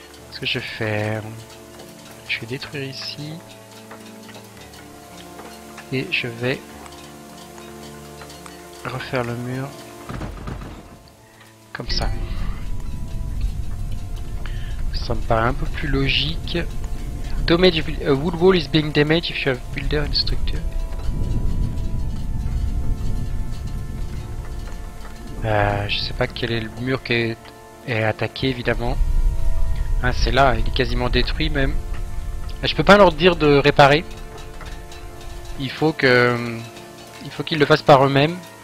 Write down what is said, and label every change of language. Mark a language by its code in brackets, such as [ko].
[fr] Qu'est-ce que je vais faire? Je vais détruire ici. Et je vais refaire le mur comme ça. Ça me paraît un peu plus logique. [en] Damage, a wood wall is being damaged if you have builder in structure. [fr] Je sais pas quel est le mur qui est attaqué, évidemment. Ah, c'est là, il est quasiment détruit même. Je peux pas leur dire de réparer. Il faut qu'ils le fassent par eux-mêmes.